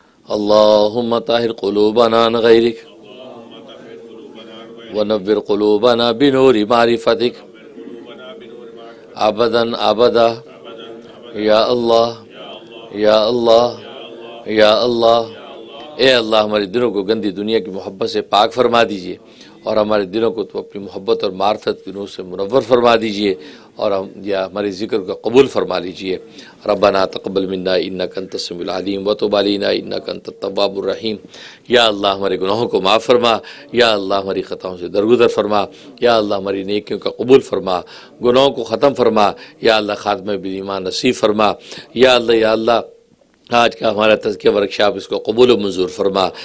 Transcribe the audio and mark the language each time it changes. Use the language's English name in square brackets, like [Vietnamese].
[Arabic] اللهم طهر قلوبنا عن غيرك ونور قلوبنا بنور معرفتك ابدا ابدا يا الله يا الله [Urdu] يا الله اے اللہ ہمارے دلوں کو گندی دنیا کی محبت سے پاک فرما دیجئے اور ہمارے دلوں کو تو اپنی محبت اور معرفت کے نور سے منور فرما دیجئے اور یا ہمارے ذکر کو قبول فرما لیجئے. [Arabic] ربنا تقبل منا انك انت السميع العليم وتب علينا انك انت التواب الرحيم. [Urdu] یا اللہ ہمارے گناہوں کو معاف فرما, یا اللہ ہماری خطاؤں سے درگزر فرما, یا اللہ ہماری نیکیوں کا قبول فرما, گناہوں کو ختم فرما, یا اللہ خاتمہ بالایمان نصیب فرما. یا اللہ یا اللہ آج کا ہمارا تزکیہ ورک شاپ اس کو قبول و منظور فرما.